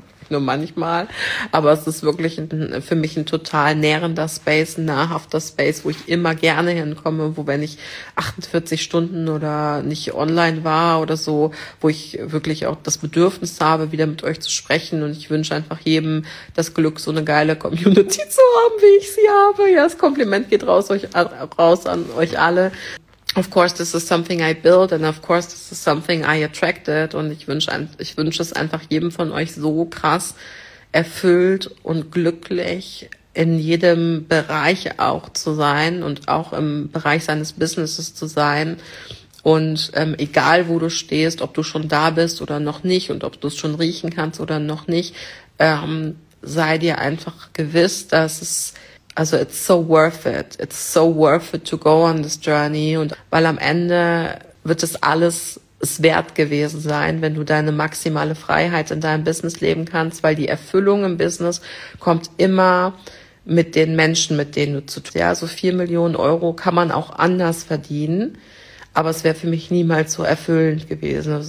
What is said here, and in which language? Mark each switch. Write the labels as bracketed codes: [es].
[de] nur manchmal, aber es ist wirklich für mich ein total nährender Space, ein nahrhafter Space, wo ich immer gerne hinkomme, wo wenn ich 48 Stunden oder nicht online war oder so, wo ich wirklich auch das Bedürfnis habe, wieder mit euch zu sprechen, und ich wünsche einfach jedem das Glück, so eine geile Community zu haben, wie ich sie habe. Ja, das Kompliment geht raus an euch alle. [en] Of course, this is something I build, and of course, this is something I attracted. [de] Und ich wünsche es einfach jedem von euch so krass erfüllt und glücklich in jedem Bereich auch zu sein und auch im Bereich seines Businesses zu sein. Und egal, wo du stehst, ob du schon da bist oder noch nicht und ob du es schon riechen kannst oder noch nicht, sei dir einfach gewiss, dass es... [en] Also it's so worth it. It's so worth it to go on this journey. [de] Und weil am Ende wird es alles es wert gewesen sein, wenn du deine maximale Freiheit in deinem Business leben kannst, weil die Erfüllung im Business kommt immer mit den Menschen, mit denen du zu tun hast. Ja, so 4 Millionen Euro kann man auch anders verdienen, aber es wäre für mich niemals so erfüllend gewesen.